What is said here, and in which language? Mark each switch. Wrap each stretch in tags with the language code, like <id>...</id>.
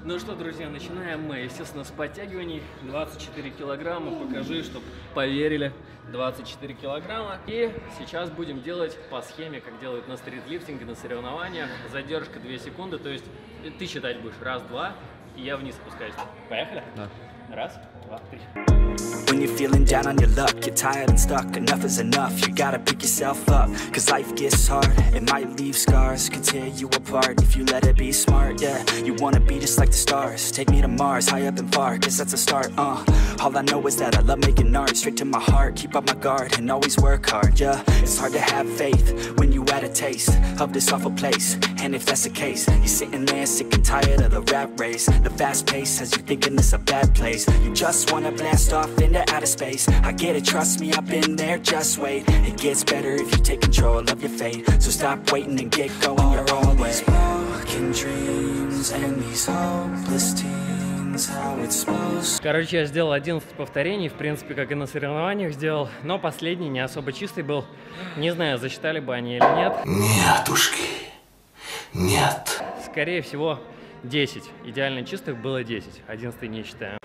<ru>Ну что, друзья, начинаем мы, естественно, с подтягиваний. 24 килограмма, покажи, чтоб поверили. 24 килограмма. И сейчас будем делать по схеме, как делают на стритлифтинге, на соревнованиях. Задержка 2 секунды, то есть ты считать будешь. Раз, два, и я вниз спускаюсь. Поехали? Да. Раз, два, три.</ru> <en>When you're feeling down on your luck, you're tired and stuck, enough is enough, you gotta pick yourself up, cause life gets hard, it might leave scars, could tear you apart, if you let it be smart, yeah, you wanna be just like the stars, take me to Mars, high up and far, cause that's a start, all I know is that I love making art, straight to my heart, keep up my guard, and always work hard, yeah, it's hard to have faith, when you had a taste, of this awful place, and if that's the case, you're sitting there sick and tired of the rat race, the fast pace, has you thinking it's a bad place, you just wanna blast off, into outer space, I get it, trust me, I've been there, just wait, it gets better if you take control of your fate, so stop waiting and get going your own way. All these broken dreams and these hopeless teens, how it's supposed.</en> <ru>Короче, я сделал 11 повторений, в принципе, как и на соревнованиях сделал, но последний не особо чистый был, не знаю, засчитали бы они или нет. Нетушки, нет. Скорее всего, 10, идеально чистых было 10, 11 не считаем.</ru>